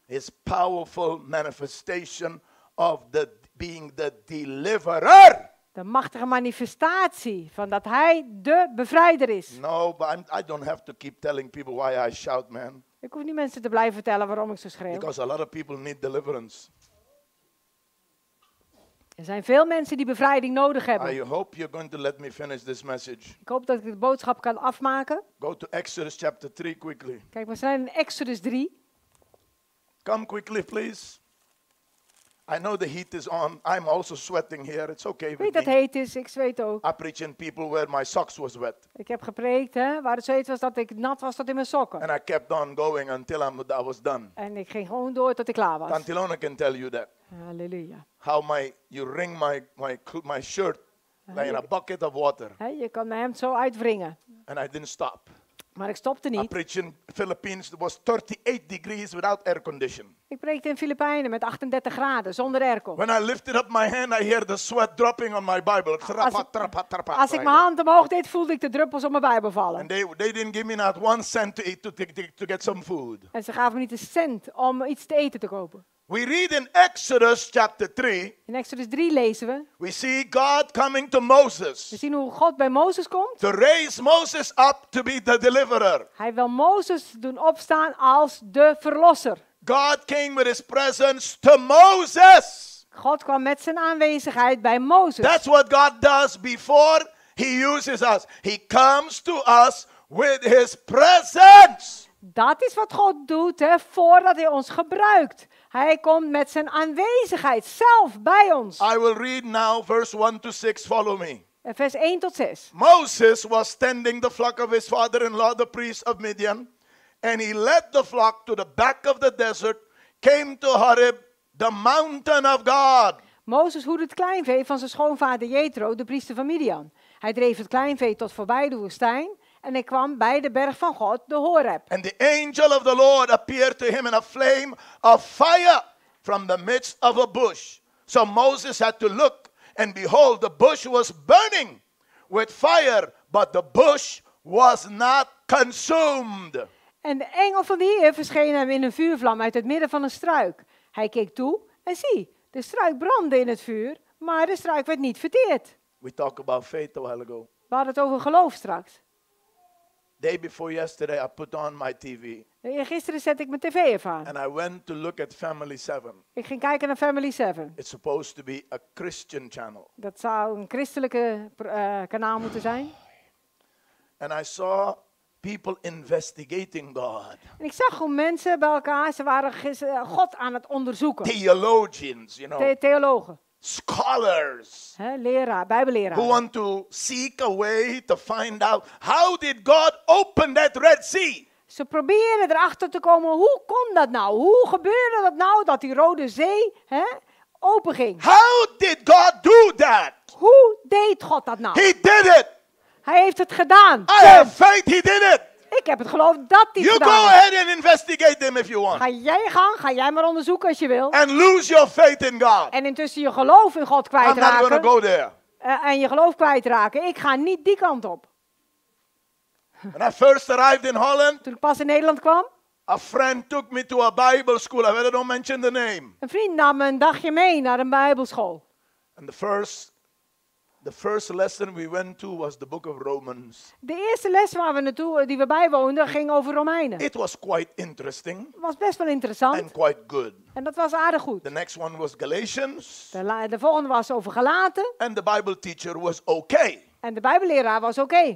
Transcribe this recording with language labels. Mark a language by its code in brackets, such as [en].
[en] His powerful manifestation of the being the deliverer. [nl] De machtige manifestatie van dat hij de bevrijder is. [en] No, but I don't have to keep telling people why I shout, man. [nl] Ik hoef niet mensen te blijven vertellen waarom ik zo schreeuw. [en] Because a lot of people need deliverance. [nl] Er zijn veel mensen die bevrijding nodig hebben. [en] I hope you're going to let me finish this message. [nl] Ik hoop dat ik de boodschap kan afmaken. [en] Go to Exodus chapter 3 quickly. [nl] Kijk, we zijn in Exodus 3. [en] Come quickly, please. I know the heat is on. I'm also sweating here. It's okay with me. [nl] Weet dat heet is, ik zweet ook. [en] I preach in people where my socks was wet. [nl] Ik heb gepreekt, hè, waar het zo heet was dat ik nat was tot in mijn sokken. [en] And I kept on going until I was done. [nl] En ik ging gewoon door tot ik klaar was. [en] Tantilona can tell you that. [nl] Halleluja. [en] How you wring my shirt like in a bucket of water. [nl] Je kan mijn hemd zo uitwringen. [en] And I didn't stop. [nl] Maar ik stopte niet. [en] I preached in Philippines, it was 38 degrees without air condition. [nl] Ik preekte in Filipijnen met 38 graden zonder airco. [en] When I lifted up my hand, I heard the sweat dropping on my Bible. [nl] Als ik mijn hand omhoog deed, voelde ik de druppels op mijn Bijbel vallen. [en] And they didn't give me not one cent to eat to get some food. [nl] En ze gaven me niet een cent om iets te eten te kopen. [en] We read in Exodus chapter 3. [nl] In Exodus 3 lezen we. [en] We see God coming to Moses. [nl] We zien hoe God bij Mozes komt. [en] To raise Moses up to be the deliverer. [nl] Hij wil Mozes doen opstaan als de verlosser. [en] God came with his presence to Moses. [nl] God kwam met zijn aanwezigheid bij Mozes. [en] That's what God does before he uses us. He comes to us with his presence. [nl] Dat is wat God doet, hè, voordat hij ons gebruikt. Hij komt met zijn aanwezigheid zelf bij ons. [en] I will read now verse 1 to 6. Follow me. [nl] Vers 1 tot 6. [en] Moses was tending the flock of his father-in-law, the priest of Midian. And he led the flock to the back of the desert, came to Horeb, the mountain of God. [nl] Mozes hoedde het kleinvee van zijn schoonvader Jethro, de priester van Midian. Hij dreef het kleinvee tot voorbij de woestijn. En ik kwam bij de berg van God, de Horeb. [en] And the angel of the Lord appeared to him in a flame of fire from the midst of a bush. So Moses had to look, and behold, the bush was burning with fire, but the bush was not consumed. [nl] En de engel van de Heer verscheen hem in een vuurvlam uit het midden van een struik. Hij keek toe en zie, de struik brandde in het vuur, maar de struik werd niet verteerd. [en] We talked about faith a while ago. [nl] We hadden het over geloof straks. [en] Day before yesterday, I put on my TV. [nl] Gisteren zet ik mijn tv aan. [en] And I went to look at Family 7. [nl] Ik ging kijken naar Family 7. [en] It's supposed to be a Christian channel. [nl] Dat zou een christelijke kanaal moeten zijn. [en] And I saw people investigating God. [nl] En ik zag hoe mensen bij elkaar, ze waren God aan het onderzoeken. [en] Theologians, you know. [nl] Theologen. [en] Scholars, [nl] leraar, Bijbelleraar, [en] who want to seek a way to find out how did God open that Red Sea? [nl] Ze proberen erachter te komen hoe kon dat nou? Hoe gebeurde dat nou dat die Rode Zee openging? [en] How did God do that? [nl] Hoe deed God dat nou? [en] He did it. [nl] Hij heeft het gedaan. [en] I have faith he did it. [nl] Ik heb het geloof dat hij [en] you [nl] het gedaan. [en] You go ahead and investigate them if you want. [nl] Ga jij maar onderzoeken als je wil. [en] And lose your faith in God. [nl] En intussen je geloof in God kwijtraken. [en] I'm not gonna go there. [nl] En je geloof kwijtraken. Ik ga niet die kant op. [en] When I first arrived in Holland, [nl] toen ik pas in Nederland kwam, [en] a friend took me to a Bible school. I better don't mention the name. [nl] Een vriend nam me een dagje mee naar een Bijbelschool. [en] And the first lesson we went to was the book of Romans. [nl] De eerste les waar we naartoe die we bijwoonden ging over Romeinen. [en] It was quite interesting. [nl] Was best wel interessant. [en] And quite good. [nl] En dat was aardig goed. [en] The next one was Galatians. [nl] De volgende was over Galaten. [en] And the Bible teacher was okay. [nl] En de Bijbelleraar was okay.